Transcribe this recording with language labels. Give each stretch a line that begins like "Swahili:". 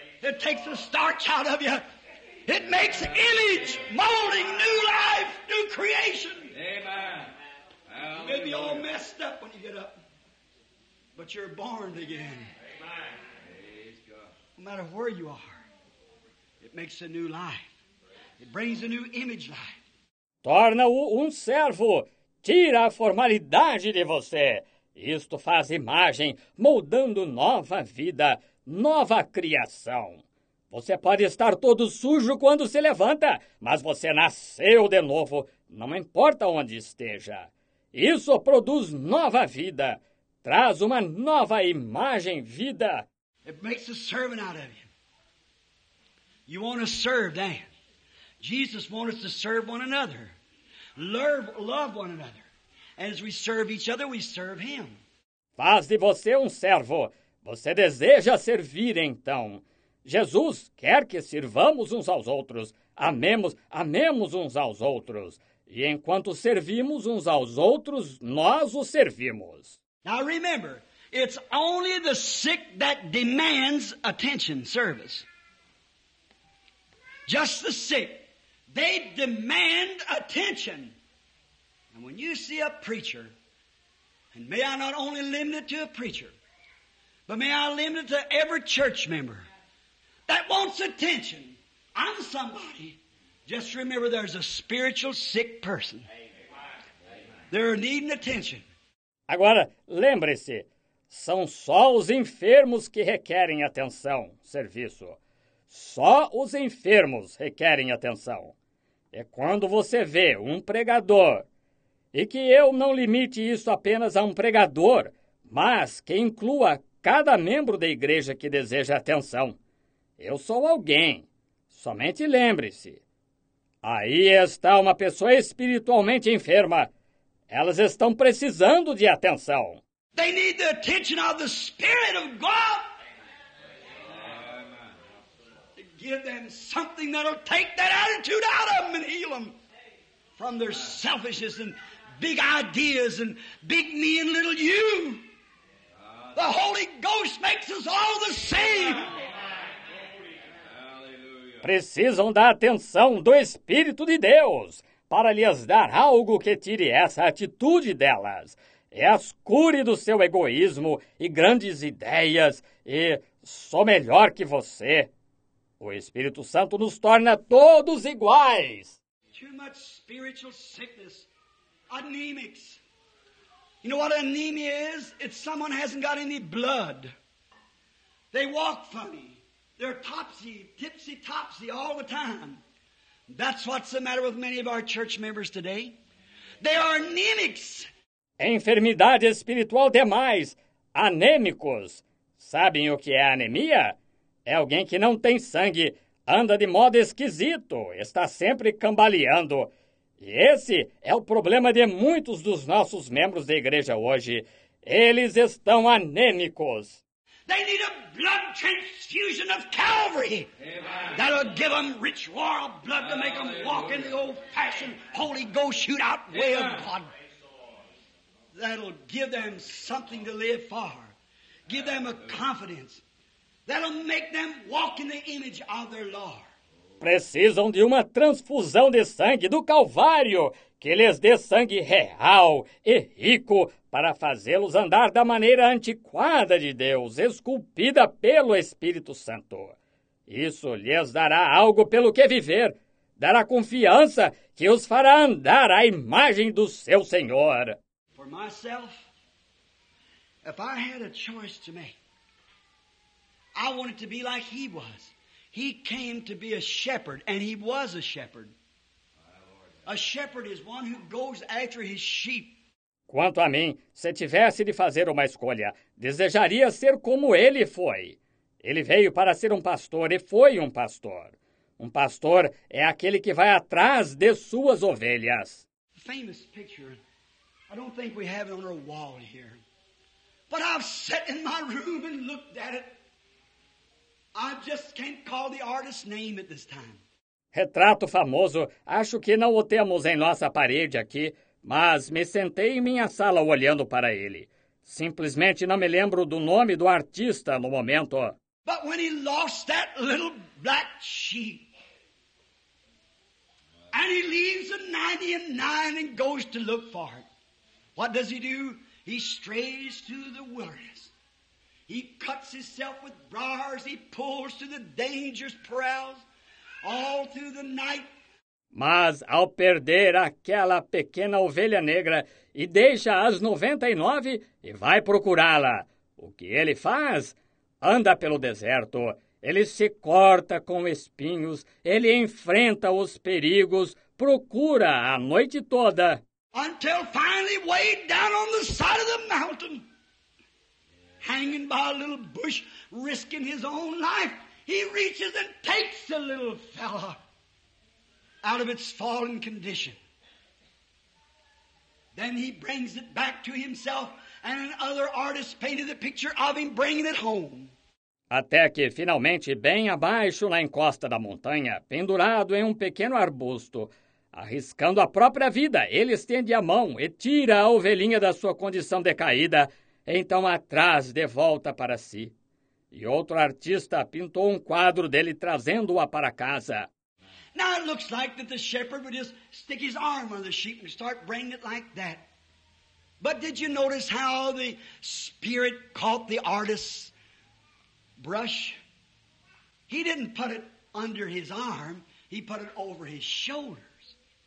English: It takes the starch out of you. It makes image molding new life, new creation. Amen. You may be all messed up when you get up, but you're born again. Amen. No matter where you are, it makes a new life. It brings a new image life.
Portuguese: Torna-o servo. Tira a formalidade de você. Isto faz imagem, moldando nova vida, nova criação. Você pode estar todo sujo quando se levanta, mas você nasceu de novo, não importa onde esteja. Isso produz nova vida, traz uma nova imagem, vida.
English: It makes a servant out of you. You want to serve, Dan. Jesus wants us to serve one another. Love one another. And as we serve each other, we serve him.
Portuguese: Faz de você servo. Você deseja servir, então. Jesus quer que sirvamos uns aos outros, amemos uns aos outros. E enquanto servimos uns aos outros, nós os servimos.
English: Now remember, it's only the sick that demands attention service. Just the sick. They demand attention. And when you see a preacher, and may I not only limit it to a preacher, but may I limit it to every church member that wants attention. I'm somebody. Just remember, there's a spiritual sick person. They're needing attention.
Portuguese: Agora, lembre-se, são só os enfermos que requerem atenção, serviço. Só os enfermos requerem atenção. É quando você vê um pregador, e que eu não limite isso apenas a um pregador, mas que inclua cada membro da igreja que deseja atenção. Eu sou alguém. Somente lembre-se. Aí está uma pessoa espiritualmente enferma. Elas estão precisando de atenção.
English: They need the attention of the Spirit of God. To give them something that'll take that attitude out of them and heal them from their selfishness and big ideas and big me and little you. The Holy Ghost makes us all the same.
Portuguese: Precisam da atenção do Espírito de Deus para lhes dar algo que tire essa atitude delas. E as cure do seu egoísmo e grandes ideias e sou melhor que você. O Espírito Santo nos torna todos iguais.
English: Too much spiritual sickness. Anemics. You know what anemia is? It's someone hasn't got any blood. They walk funny. They're topsy, tipsy-topsy all the time. That's what's the matter with many of our church members today. They are anemics.
Portuguese: Enfermidade espiritual demais. Anêmicos. Sabem o que é anemia? É alguém que não tem sangue, anda de modo esquisito, está sempre cambaleando. E esse é o problema de muitos dos nossos membros da igreja hoje. Eles estão anêmicos.
English: They need a blood transfusion of Calvary. Amen. That'll give them rich war of blood to make them walk in the old-fashioned Holy Ghost shoot-out way of God. That'll give them something to live for. Give them a confidence. That'll make them walk in the image of their Lord.
Portuguese: Precisam de uma transfusão de sangue do Calvário, que lhes dê sangue real e rico para fazê-los andar da maneira antiquada de Deus, esculpida pelo Espírito Santo. Isso lhes dará algo pelo que viver, dará confiança que os fará andar à imagem do seu Senhor.
English: For myself, if I had a choice to make, I wanted to be like he was. He came to be a shepherd, and he was a shepherd. A shepherd is one who goes after his sheep.
Portuguese: Quanto a mim, se tivesse de fazer uma escolha, desejaria ser como ele foi. Ele veio para ser um pastor e foi um pastor. Um pastor é aquele que vai atrás de suas ovelhas.
English: A famous picture. I don't think we have it on our wall here. But I've sat in my room and looked at it. I just can't call the artist's name at this time.
Portuguese: Retrato famoso, acho que não o temos em nossa parede aqui, mas me sentei em minha sala olhando para ele. Simplesmente não me lembro do nome do artista no momento.
English: But when he lost that little black sheep, and he leaves the 99 and goes to look for it, what does he do? He strays through the wilderness. He cuts himself with briars, he pulls through the dangerous perils. All through the night.
Portuguese: Mas ao perder aquela pequena ovelha negra e deixa as 99 e vai procurá-la, o que ele faz? Anda pelo deserto, ele se corta com espinhos, ele enfrenta os perigos, procura a noite toda.
English: Until finally way down on the side of the mountain, hanging by a little bush, risking his own life. He reaches and takes the little fella out of its fallen condition. Then he brings it back to himself, and another artist painted a picture of him bringing it home.
Portuguese: Até que, finalmente, bem abaixo na encosta da montanha, pendurado em um pequeno arbusto, arriscando a própria vida, ele estende a mão e tira a ovelhinha da sua condição decaída, e então a traz de volta para si. E outro artista pintou um quadro dele trazendo-a para casa.
English: Now it looks like that the shepherd would just stick his arm on the sheep and start bringing it like that. But did you notice how the spirit caught the artist's brush? He didn't put it under his arm, he put it over his shoulders.